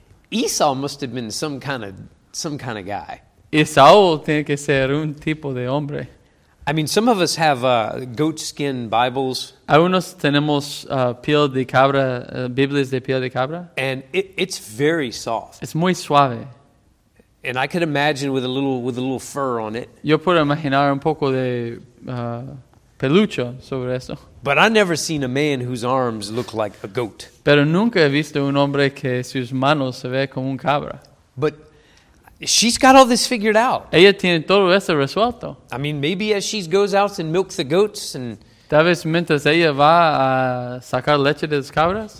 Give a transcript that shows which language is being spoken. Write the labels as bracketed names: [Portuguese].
[English] Esau must have been some kind of guy. [Spanish] Esau tiene que ser un tipo de hombre. [English] I mean, some of us have goat skin Bibles. [Spanish] Algunos tenemos piel de cabra, Biblias de piel de cabra. [English] And it's very soft. [Spanish] Es muy suave. [English] And I could imagine with a little fur on it. [Spanish] Yo puedo imaginar un poco de peluche sobre eso. [English] But I've never seen a man whose arms look like a goat. [Spanish] Pero nunca he visto un hombre que sus manos se ve como un cabra. [English] But she's got all this figured out. [Spanish] Ella tiene todo eso resuelto. [English] I mean, maybe as she goes out and milks the goats and... [Spanish] Tal vez mientras ella va a sacar leche de las cabras.